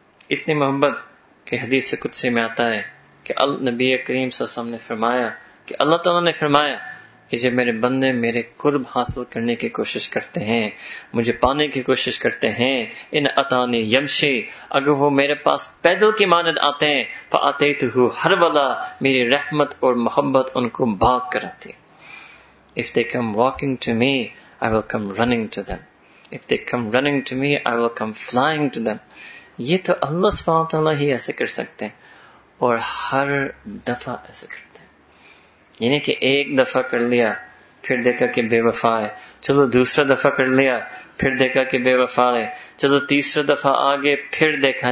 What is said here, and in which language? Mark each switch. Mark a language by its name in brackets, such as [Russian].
[Urdu] اتنی محبت کہ حدیث قدسی میں آتا ہے کہ نبی کریم صلی اللہ علیہ وسلم نے فرمایا کہ اللہ تعالیٰ نے فرمایا کہ جب میرے بندے میرے قرب حاصل کرنے کی کوشش کرتے ہیں, مجھے پانے کی کوشش کرتے ہیں, [Arabic] ان اتانی یمشی, [Urdu] اگر وہ میرے پاس پیدل کی مانند آتے ہیں, [Arabic] فآتیتہ ہرولا, [Urdu] میری رحمت اور محبت ان کو بھاگ کر آتی. [English] If they come walking to me, I will come running to them. If they come running to me, I will come flying to them. [Urdu] یہ تو اللہ سبحانہ وتعالیٰ ہی ایسے کر سکتے ہیں, اور ہر دفعہ ایسے کرتے ہیں. یعنی کہ ایک دفعہ کر لیا پھر دیکھا کہ بے وفا ہے, چلو دوسرا دفعہ کر لیا پھر دیکھا کہ بے وفا ہے, چلو تیسرا دفعہ آگے پھر دیکھا.